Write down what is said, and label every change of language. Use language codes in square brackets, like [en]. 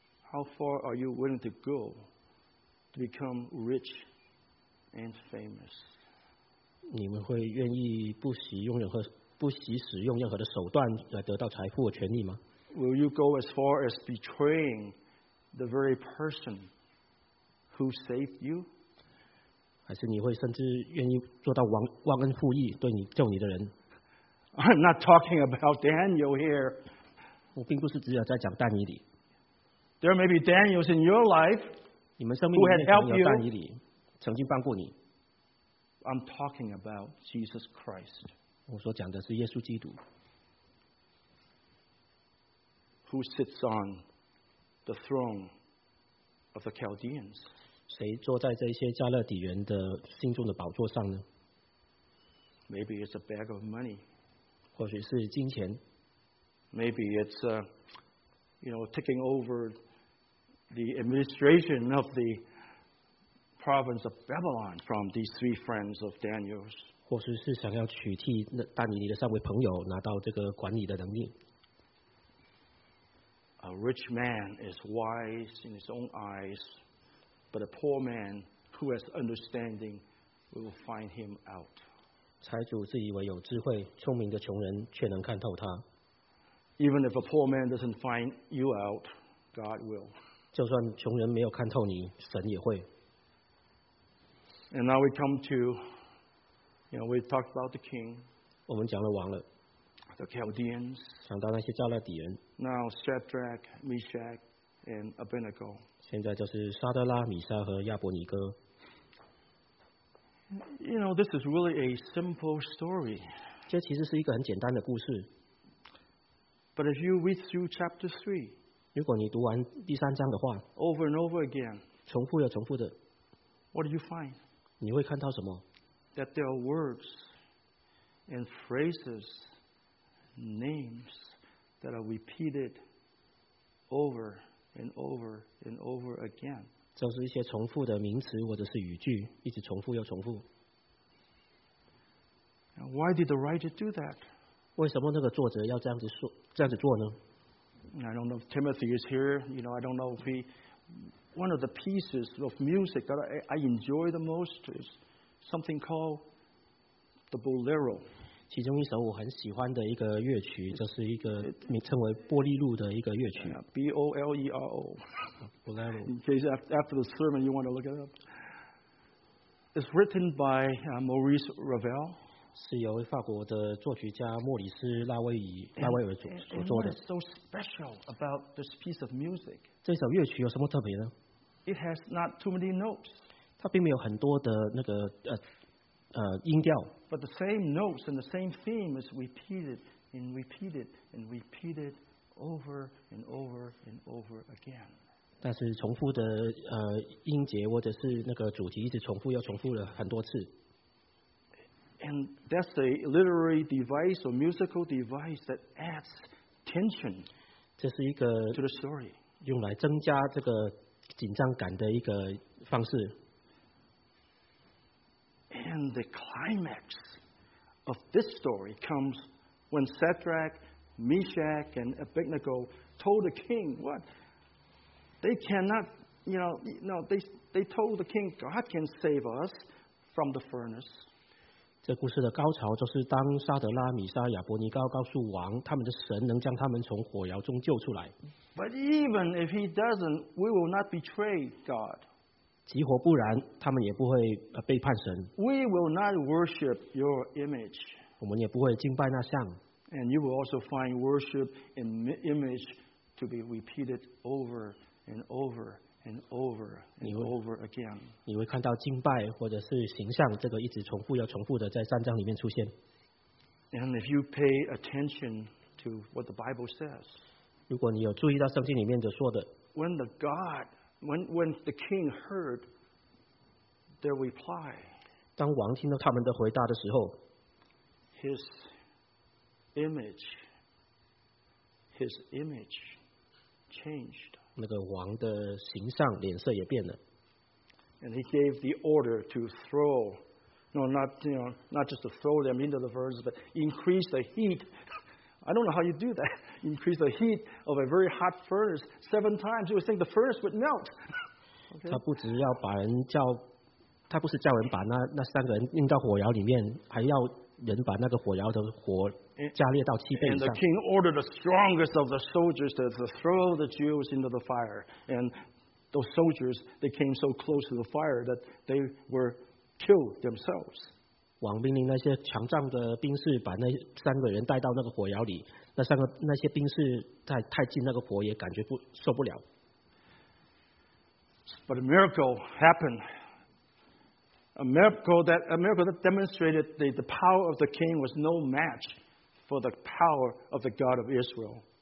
[en] How far are you willing to go to become rich and famous? [zh] 你们会愿意不惜使用任何的手段来得到财富和权利吗？ [en] Will you go as far as betraying the very person who saved you? [zh] 还是你会甚至愿意做到忘恩负义对你救你的人？ [en] I'm not talking about Daniel here. [zh] 我并不是只有在讲但以理。 [en] There may be Daniels in your life who had helped you. [zh] 曾经帮过你。 [en] I'm talking about Jesus Christ. [zh] 我所讲的是耶稣基督。 [en] Who sits on the throne of the Chaldeans? [zh] 谁坐在这些加勒底人的心中的宝座上呢？ [en] Maybe it's a bag of money. [zh] 或许是金钱。 [en] Maybe it's a, you know, taking over. The administration of the province of Babylon from these three friends of Daniel's. [zh] 或许是想要取替那但以理的三位朋友拿到这个管理的能力。 [en] A rich man is wise in his own eyes, but a poor man who has understanding will find him out. [zh] 财主自以为有智慧，聪明的穷人却能看透他。 [en] Even if a poor man doesn't find you out, God will. [zh] 就算穷人没有看透你，神也会。 [en] And now we come to, you know, we talked about the king. [zh] 我们讲了王了。 [en] The Chaldeans. [zh] 想到那些加勒底人。 [en] Now Shadrach, Meshach, and Abednego. [zh] 现在就是沙德拉、米沙和亚伯尼哥。 [en] You know, this is really a simple story. [zh] 这其实是一个很简单的故事。 [en] But if you read through chapter 3, [zh] 如果你读完第三章的话， [en] over and over again, [zh] 重复又重复的， [en] what do you find? [zh] 你会看到什么？ [en] That there are words and phrases, names that are repeated over and over and over again. [zh] 就是一些重复的名词或者是语句，一直重复又重复。 [en] Now, why did the writer do that? [zh] 为什么那个作者要这样子做呢？ [en] I don't know if Timothy is here. You know, I don't know if he. One of the pieces of music that I enjoy the most is something called the Bolero. [zh] 其中一首我很喜欢的一个乐曲，就是一个名称为波利路的一个乐曲。 [en] Bolero. Bolero. In case after the sermon you want to look it up, it's written by Maurice Ravel. [zh] 是由法国的作曲家莫里斯·拉威尔所作的。 [en] So special about this piece of music? [zh] 这首乐曲有什么特别呢？ [en] It has not too many notes. [zh] 它并没有很多的那个音调。 [en] But the same notes and the same theme is repeated and repeated and repeated over and over and over again. [zh] 但是重复的音节或者是那个主题一直重复又重复了很多次。 [en] And that's a literary device or musical device that adds tension to the story. [zh] 用来增加这个紧张感的一个方式。 [en] And the climax of this story comes when Shadrach, Meshach, and Abednego told the king what? They cannot, they told the king God can save us from the furnace. [zh] 这故事的高潮就是当沙德拉、米沙、亚伯尼高告诉王，他们的神能将他们从火窑中救出来。 [en] But even if he doesn't, we will not betray God. [zh] 即或不然，他们也不会背叛神。 [en] We will not worship your image. [zh] 我们也不会敬拜那像。 [en] And you will also find worship and image to be repeated over and over. And over and over again. [zh] 你会看到敬拜或者是形象这个一直重复又重复的在三章里面出现。 [en] And if you pay attention to what the Bible says, [zh] 如果你有注意到圣经里面的说的 [en] ，When the king heard their reply, [zh] 当王听到他们的回答的时候 [en] ，His image changed. [zh] 那个王的形象脸色也变了。 [en] And he gave the order to throw, no, not, you know, not just to throw them into the furnace, but increase the heat. I don't know how you do that. Increase the heat of a very hot furnace 7 times. You would think the furnace would melt. Okay. [zh] 他不是叫人把那三个人扔到火窑里面，还要人把那个火窑的火加烈到7倍以上。 [en] And the king ordered the strongest of the soldiers to throw the Jews into the fire. And those soldiers, they came so close to the fire that they were killed themselves. [zh] 王命令那些强壮的兵士把那三个人带到那个火窑里，那些兵士太近那个火也感觉受不了。 [en] But a miracle happened. A miracle that demonstrated the power of the king was no match for the power of the God of Israel.